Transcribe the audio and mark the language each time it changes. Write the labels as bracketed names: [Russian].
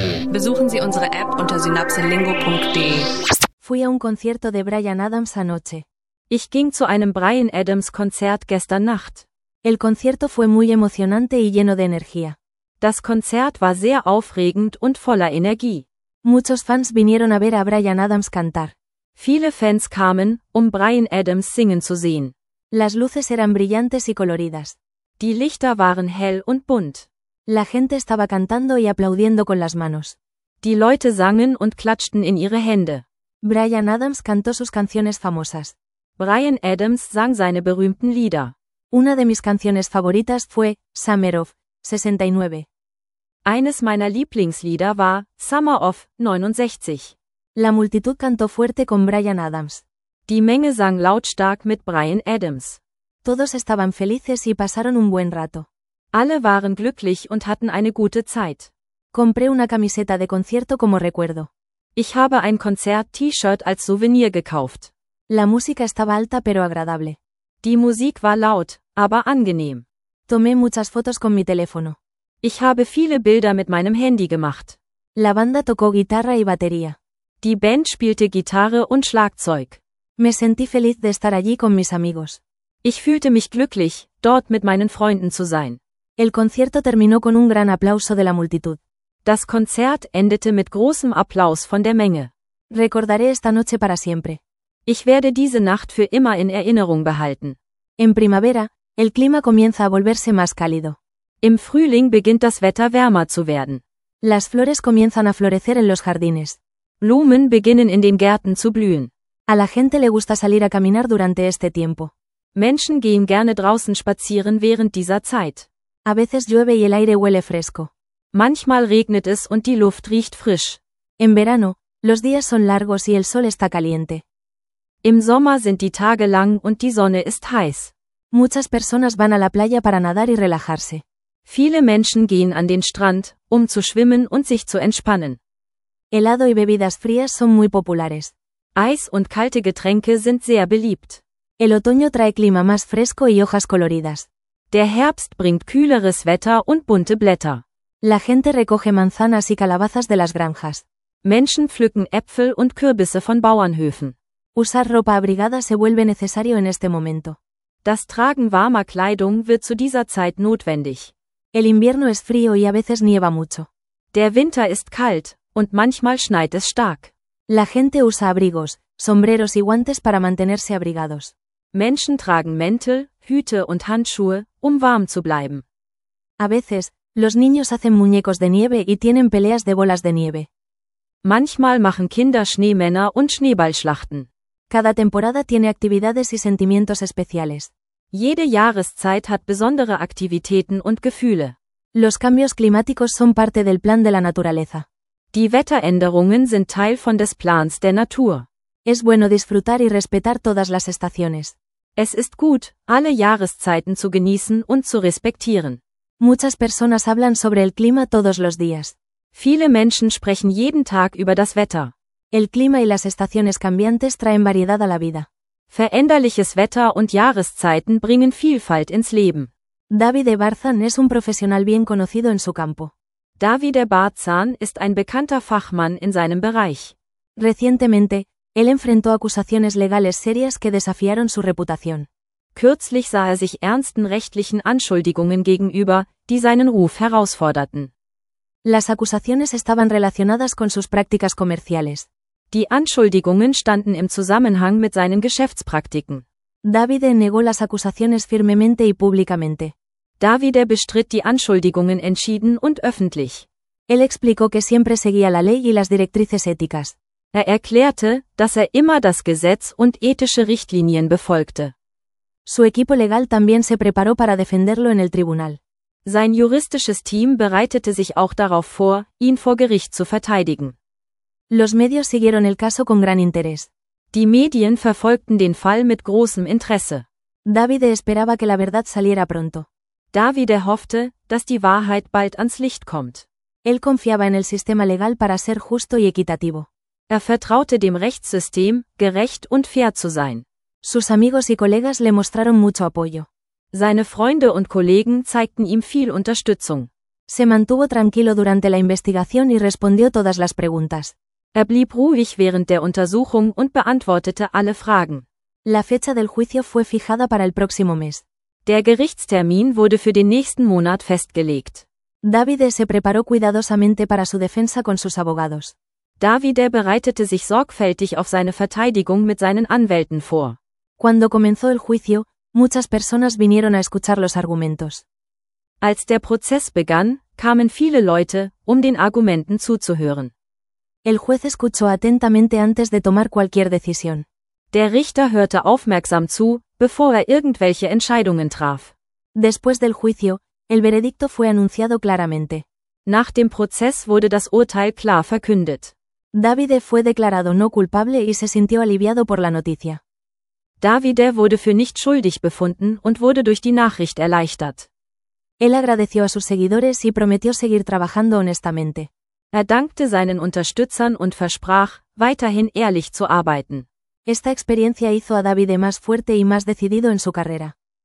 [German] Besuchen Sie unsere App unter synapselingo.de. [Spanish] Fui a un concierto de Bryan Adams anoche. [German] Ich ging zu einem Bryan Adams Konzert gestern Nacht. [Spanish] El concierto fue muy emocionante y lleno de energía. [German] Das Konzert war sehr aufregend und voller Energie. [Spanish] Muchos fans vinieron a ver a Bryan Adams cantar. [German] Viele Fans kamen, um Bryan Adams singen zu sehen. [Spanish] Las luces eran brillantes y coloridas. [German] Die Lichter waren hell und bunt. [Spanish] La gente estaba cantando y aplaudiendo con las manos. [German] Die Leute sangen und klatschten in ihre Hände. [Spanish] Bryan Adams cantó sus canciones famosas. [German] Bryan Adams sang seine berühmten Lieder. [Spanish] Una de mis canciones favoritas fue Summer of 69. [German] Eines meiner Lieblingslieder war Summer of 69. [Spanish] La multitud cantó fuerte con Bryan Adams. [German] Die Menge sang lautstark mit Bryan Adams. [Spanish] Todos estaban felices y pasaron un buen rato. [German] Alle waren glücklich und hatten eine gute Zeit. [Spanish] Compré una camiseta de concierto como recuerdo. [German] Ich habe ein Konzert-T-Shirt als Souvenir gekauft. [Spanish] La música estaba alta pero agradable. [German] Die Musik war laut, aber angenehm. [Spanish] Tomé muchas fotos con mi teléfono. [German] Ich habe viele Bilder mit meinem Handy gemacht. [Spanish] La banda tocó guitarra y batería. [German] Die Band spielte Gitarre und Schlagzeug. [Spanish] Me sentí feliz de estar allí con mis amigos. [German] Ich fühlte mich glücklich, dort mit meinen Freunden zu sein. [Spanish] El concierto terminó con un gran aplauso de la multitud. [German] Das Konzert endete mit großem Applaus von der Menge. [Spanish] Recordaré esta noche para siempre. [German] Ich werde diese Nacht für immer in Erinnerung behalten. [Spanish] En primavera, el clima comienza a volverse más cálido. [German] Im Frühling beginnt das Wetter wärmer zu werden. [Spanish] Las flores comienzan a florecer en los jardines. [German] Blumen beginnen in den Gärten zu blühen. [Spanish] A la gente le gusta salir a caminar durante este tiempo. [German] Menschen gehen gerne draußen spazieren während dieser Zeit. [Spanish] A veces llueve y el aire huele fresco. [German] Manchmal regnet es und die Luft riecht frisch. [Spanish] En verano, los días son largos y el sol está caliente. [German] Im Sommer sind die Tage lang und die Sonne ist heiß. [Spanish] Muchas personas van a la playa para nadar y relajarse. [German] Viele Menschen gehen an den Strand, um zu schwimmen und sich zu entspannen. [Spanish] Helado y bebidas frías son muy populares. [German] Eis und kalte Getränke sind sehr beliebt. [Spanish] El otoño trae clima más fresco y hojas coloridas. [German] Der Herbst bringt kühleres Wetter und bunte Blätter. [Spanish] La gente recoge manzanas y calabazas de las granjas. [German] Menschen pflücken Äpfel und Kürbisse von Bauernhöfen. [Spanish] Usar ropa abrigada se vuelve necesario en este momento. [German] Das Tragen warmer Kleidung wird zu dieser Zeit notwendig. [Spanish] El invierno es frío y a veces nieva mucho. [German] Der Winter ist kalt, und manchmal schneit es stark. [Spanish] La gente usa abrigos, sombreros y guantes para mantenerse abrigados. [German] Menschen tragen Mäntel, Hüte und Handschuhe, um warm zu bleiben. [Spanish] A veces, los niños hacen muñecos de nieve y tienen peleas de bolas de nieve. [German] Manchmal machen Kinder Schneemänner und Schneeballschlachten. [Spanish] Cada temporada tiene actividades y sentimientos especiales. [German] Jede Jahreszeit hat besondere Aktivitäten und Gefühle. [Spanish] Los cambios climáticos son parte del plan de la naturaleza. [German] Die Wetteränderungen sind Teil von des Plans der Natur. [Spanish] Es bueno disfrutar y respetar todas las estaciones. [German] Es ist gut, alle Jahreszeiten zu genießen und zu respektieren. [Spanish] Muchas personas hablan sobre el clima todos los días. [German] Viele Menschen sprechen jeden Tag über das Wetter. [Spanish] El clima y las estaciones cambiantes traen variedad a la vida. [German] Veränderliches Wetter und Jahreszeiten bringen Vielfalt ins Leben. [Spanish] Davide Barzan es un profesional bien conocido en su campo. [German] Davide Barzan ist ein bekannter Fachmann in seinem Bereich. [Spanish] Recientemente, él enfrentó acusaciones legales serias que desafiaron su reputación. [German] Kürzlich sah er sich ernsten rechtlichen Anschuldigungen gegenüber, die seinen Ruf herausforderten. [Spanish] Las acusaciones estaban relacionadas con sus prácticas comerciales. [German] Die Anschuldigungen standen im Zusammenhang mit seinen Geschäftspraktiken. [Spanish] Davide negó las acusaciones firmemente y públicamente. [German] Davide bestritt die Anschuldigungen entschieden und öffentlich. [Spanish] Él explicó que siempre seguía la ley y las directrices éticas. [German] Er erklärte, dass er immer das Gesetz und ethische Richtlinien befolgte. [Spanish] Su equipo legal también se preparó para defenderlo en el tribunal. [German] Sein juristisches Team bereitete sich auch darauf vor, ihn vor Gericht zu verteidigen. [Spanish] Los medios siguieron el caso con gran interés. [German] Die Medien verfolgten den Fall mit großem Interesse. [Spanish] Davide esperaba que la verdad saliera pronto. [German] Davide hoffte, dass die Wahrheit bald ans Licht kommt. [Spanish] Él confiaba en el sistema legal para ser justo y equitativo. [German] Er vertraute dem Rechtssystem, gerecht und fair zu sein. [Spanish] Sus amigos y colegas le mostraron mucho apoyo. [German] Seine Freunde und Kollegen zeigten ihm viel Unterstützung. [Spanish] Se mantuvo tranquilo durante la investigación y respondió todas las preguntas. [German] Er blieb ruhig während der Untersuchung und beantwortete alle Fragen. [Spanish] La fecha del juicio fue fijada para el próximo mes. [German] Der Gerichtstermin wurde für den nächsten Monat festgelegt. [Spanish] Davide se preparó cuidadosamente para su defensa con sus abogados. [German] Davide bereitete sich sorgfältig auf seine Verteidigung mit seinen Anwälten vor. [Spanish] Cuando comenzó el juicio, muchas personas vinieron a escuchar los argumentos. [German] Als der Prozess begann, kamen viele Leute, um den Argumenten zuzuhören. [Spanish] El juez escuchó atentamente antes de tomar cualquier decisión. [German] Der Richter hörte aufmerksam zu, bevor er irgendwelche Entscheidungen traf. [Spanish] Después del juicio, el veredicto fue anunciado claramente. [German] Nach dem Prozess wurde das Urteil klar verkündet. [Spanish] Davide fue declarado no culpable y se sintió aliviado por la noticia. [German] Davide wurde für nicht schuldig befunden und wurde durch die Nachricht erleichtert. [Spanish] Él agradeció a sus seguidores y prometió seguir trabajando honestamente. [German] Er dankte seinen Unterstützern und versprach, weiterhin ehrlich zu arbeiten. [Spanish] Esta experiencia hizo a Davide más fuerte y más decidido en su carrera.